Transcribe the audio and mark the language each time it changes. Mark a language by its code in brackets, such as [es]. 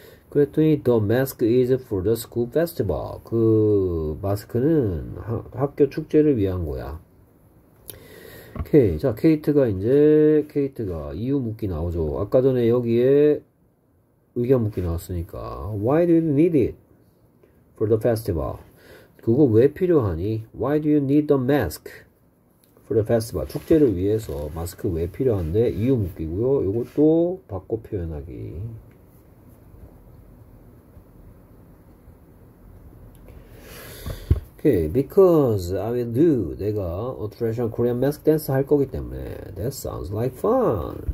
[ko] 그랬더니, [en] The mask is for the school festival. [ko] 그, 마스크는 학교 축제를 위한 거야. 오케이. 자, 케이트가 이유 묻기 나오죠. 아까 전에 여기에 의견 묻기 나왔으니까. [en] Why do you need it for the festival? [ko] 그거 왜 필요하니? [en] Why do you need the mask for the festival? [ko] 축제를 위해서 마스크 왜 필요한데? 이유 묻기고요. 이것도 바꿔 표현하기. [en] 오케이, okay, because I will do [ko] 내가 [en] a traditional Korean mask dance [ko] 할 거기 때문에 [en] that sounds like fun.